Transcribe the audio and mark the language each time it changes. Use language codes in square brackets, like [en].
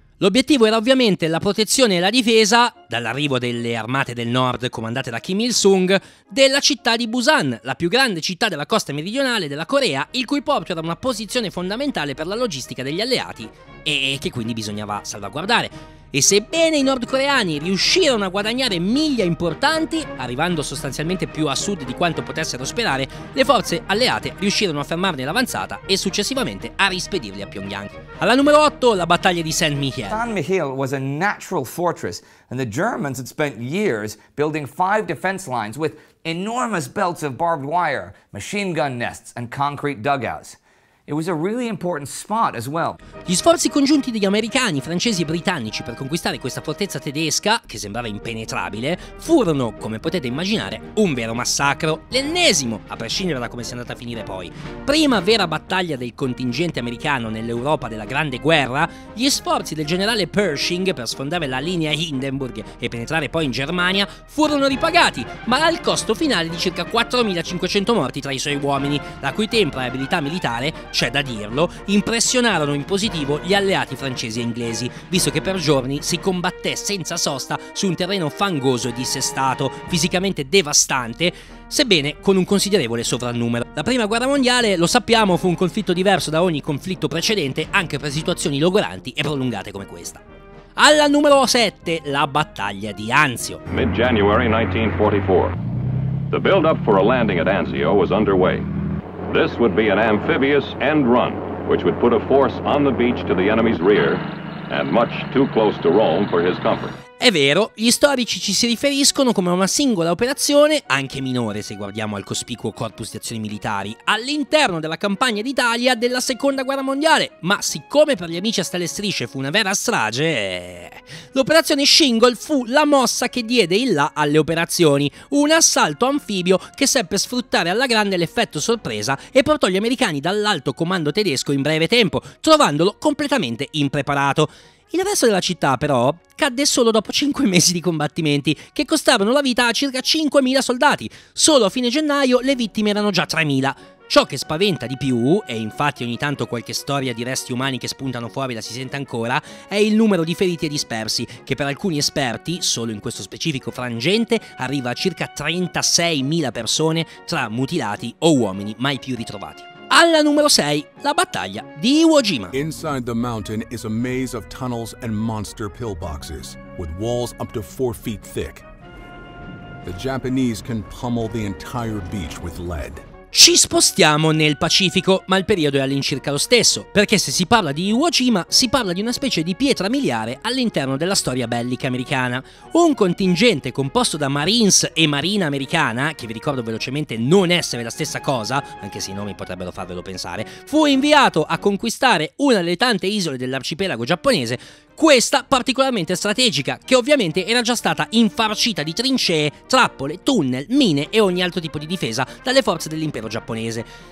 [it] L'obiettivo era ovviamente la protezione e la difesa, dall'arrivo delle armate del nord comandate da Kim Il-sung, della città di Busan, la più grande città della costa meridionale della Corea, il cui porto era una posizione fondamentale per la logistica degli alleati e che quindi bisognava salvaguardare. E sebbene i nordcoreani riuscirono a guadagnare miglia importanti, arrivando sostanzialmente più a sud di quanto potessero sperare, le forze alleate riuscirono a fermarne l'avanzata e successivamente a rispedirli a Pyongyang. Alla numero 8, la battaglia di Saint Mihiel. [en] Saint Mihiel was a natural fortress and the Germans had spent years building five defense lines with enormous belts of barbed wire, machine gun nests and concrete dugouts. It was a really important spot as well. [it] Gli sforzi congiunti degli americani, francesi e britannici per conquistare questa fortezza tedesca, che sembrava impenetrabile, furono, come potete immaginare, un vero massacro, l'ennesimo, a prescindere da come sia andata a finire poi. Prima vera battaglia del contingente americano nell'Europa della Grande Guerra, gli sforzi del generale Pershing per sfondare la linea Hindenburg e penetrare poi in Germania furono ripagati, ma al costo finale di circa 4.500 morti tra i suoi uomini, la cui tempra e abilità militare, c'è da dirlo, impressionarono in positivo gli alleati francesi e inglesi, visto che per giorni si combatté senza sosta su un terreno fangoso e dissestato, fisicamente devastante, sebbene con un considerevole sovrannumero. La prima guerra mondiale, lo sappiamo, fu un conflitto diverso da ogni conflitto precedente, anche per situazioni logoranti e prolungate come questa. Alla numero 7, la battaglia di Anzio. [en] Mid-January 1944. The build-up for a landing at Anzio was underway. This would be an amphibious end run, which would put a force on the beach to the enemy's rear, and much too close to Rome for his comfort. [it] È vero, gli storici ci si riferiscono come a una singola operazione, anche minore se guardiamo al cospicuo corpus di azioni militari, all'interno della campagna d'Italia della Seconda Guerra Mondiale, ma siccome per gli amici a stelle e strisce fu una vera strage, l'operazione Shingle fu la mossa che diede il là alle operazioni, un assalto anfibio che seppe sfruttare alla grande l'effetto sorpresa e portò gli americani dall'alto comando tedesco in breve tempo, trovandolo completamente impreparato. Il resto della città, però, cadde solo dopo 5 mesi di combattimenti, che costarono la vita a circa 5.000 soldati. Solo a fine gennaio le vittime erano già 3.000. Ciò che spaventa di più, e infatti ogni tanto qualche storia di resti umani che spuntano fuori la si sente ancora, è il numero di feriti e dispersi, che per alcuni esperti, solo in questo specifico frangente, arriva a circa 36.000 persone tra mutilati o uomini mai più ritrovati. Alla numero 6, la battaglia di Iwo Jima. [en] Inside the mountain is a maze of tunnels and monster pillboxes, with walls up to 4 feet thick. The Japanese can pummel the entire beach with lead. [it] Ci spostiamo nel Pacifico, ma il periodo è all'incirca lo stesso, perché se si parla di Iwo Jima, si parla di una specie di pietra miliare all'interno della storia bellica americana. Un contingente composto da Marines e Marina americana, che vi ricordo velocemente non essere la stessa cosa, anche se i nomi potrebbero farvelo pensare, fu inviato a conquistare una delle tante isole dell'arcipelago giapponese, questa particolarmente strategica, che ovviamente era già stata infarcita di trincee, trappole, tunnel, mine e ogni altro tipo di difesa dalle forze dell'impero giapponese.